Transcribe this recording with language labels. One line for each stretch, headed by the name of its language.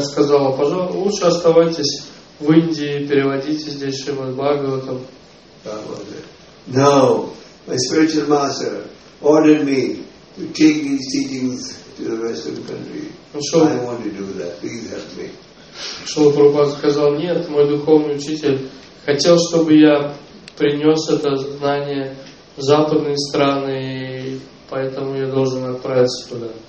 Russian: сказала, пожалуйста, лучше оставайтесь в Индии, переводите здесь Шримад Бхагаватам.
English: Now, my spiritual master ordered me to take these teachings to the Western country. I want to do that. Please help me.
Russian: Шрила Прабхупада сказал, нет, мой духовный учитель хотел, чтобы я принес это знание в западные страны, и поэтому я должен отправиться туда.